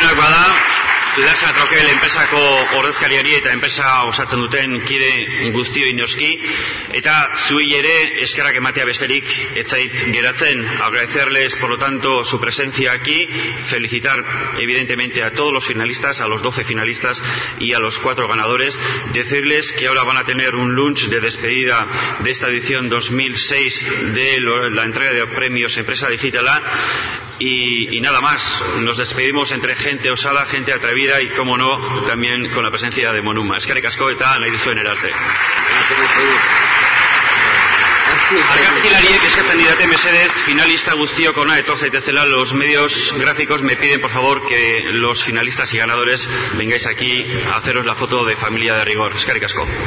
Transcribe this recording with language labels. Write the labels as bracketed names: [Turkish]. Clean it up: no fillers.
[Basque] Lasa Trokel enpresako ordezkariari eta enpresa osatzen duten kide guztioi noski eta zuei ere eskerrak ematea besterik etzait geratzen. [Spanish] Agradecerles por lo tanto su presencia aquí, felicitar evidentemente a todos los finalistas, a los 12 finalistas y a los 4 ganadores, decirles que ahora van a tener un lunch de despedida de esta edición 2006 de la entrega de premios Empresa Digital A. Y nada más, nos despedimos entre gente osada, gente atrevida y, como no, también con la presencia de Monuma. Es que le cascó y tal, le hizo en el arte. [Basque] Argazkilariek eskatzen didate mesedez, finalista guztiok ona etorzaitezela. [Spanish] Los medios gráficos me piden por favor que los finalistas y ganadores vengáis aquí a haceros la foto de familia de rigor. Es que le cascó.